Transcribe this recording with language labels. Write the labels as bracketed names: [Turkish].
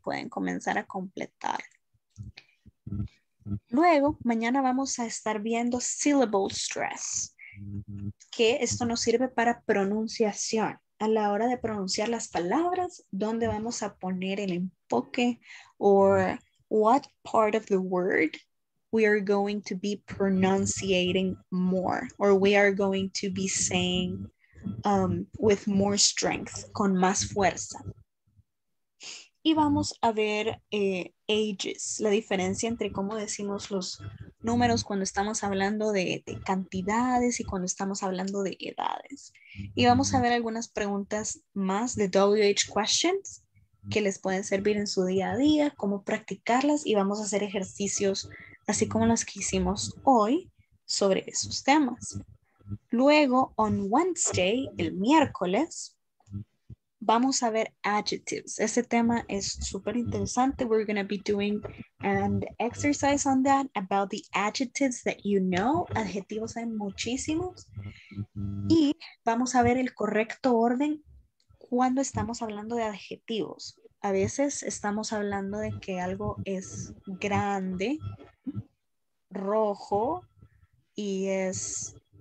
[Spanish] Pueden comenzar a completar. Luego, mañana vamos a estar viendo syllable stress, que esto nos sirve para pronunciación. A la hora de pronunciar las palabras, ¿dónde vamos a poner el enfoque? [English] Or what part of the word we are going to be pronunciating more, or we are going to be saying with more strength, [Spanish] con más fuerza. Y vamos a ver ages, la diferencia entre cómo decimos los números cuando estamos hablando de cantidades y cuando estamos hablando de edades. Y vamos a ver algunas preguntas más de WH questions que les pueden servir en su día a día, cómo practicarlas, y vamos a hacer ejercicios así como los que hicimos hoy sobre esos temas. Luego, [English] on Wednesday, [Spanish] el miércoles, vamos a ver adjectives. Ese tema es súper interesante. [English] We're going to be doing an exercise on that about the adjectives that you know. [Spanish] Adjetivos hay muchísimos. Y vamos a ver el correcto orden cuando estamos hablando de adjetivos. A veces estamos hablando de que algo es grande, rojo, y es...